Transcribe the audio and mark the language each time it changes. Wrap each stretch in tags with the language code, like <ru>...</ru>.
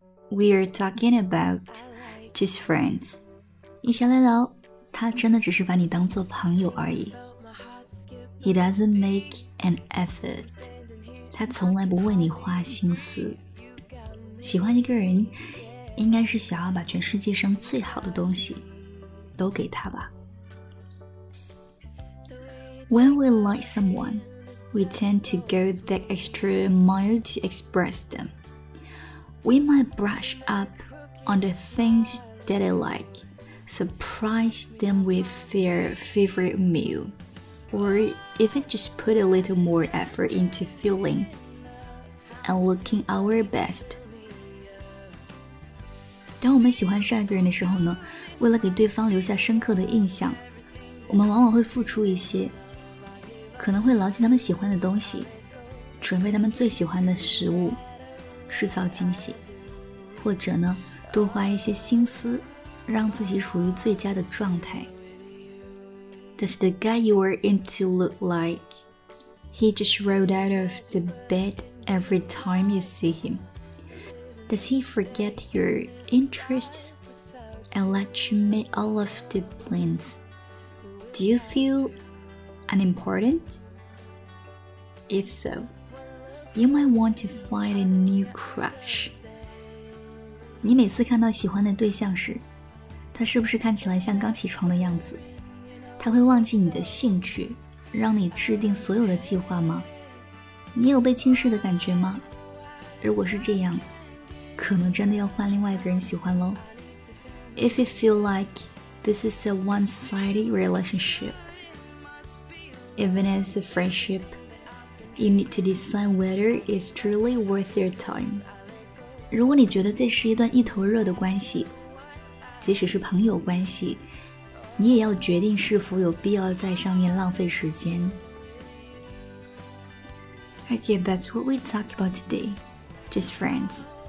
<en>We are talking about just friends，</en> <zh>一起来聊，他真的只是把你当做朋友而已。</zh> <en>He doesn't make an effort，</en> <zh>他从来不为你花心思。喜欢一个人应该是想要把全世界上最好的东西都给他吧。</zh> <en>When we like someone, we tend to go that extra mile to express them. We might brush up on the things that they like, surprise them with their favorite meal, or even just put a little more effort into feeling and looking our best.</en> <zh>当我们喜欢上一个人的时候呢，为了给对方留下深刻的印象，我们往往会付出一些，可能会牢记他们喜欢的东西，准备他们最喜欢的食物，制造惊喜，或者呢，多花一些心思，让自己处于最佳的状态。</zh> <en>Does the guy you are into look like he just rolled out of the bed every time you see him? Does he forget your interests and let you make all of the plans? Do you feel unimportant? If so, you might want to find a new crush.</en> <zh>你每次看到喜欢的对象时，他是不是看起来像刚起床的样子？他会忘记你的兴趣，让你制定所有的计划吗？你有被轻视的感觉吗？如果是这样，可能真的要换另外一个人喜欢咯。</zh> <en>If you feel like this is a one-sided relationship, even as a friendship, you need to decide whether it's truly worth your time.</en> <zh>如果你觉得这是一段一头热的关系，即使是朋友关系，你也要决定是否有必要在上面浪费时间。</zh> <en>Okay, that's what we talk about today. Just friends.</en>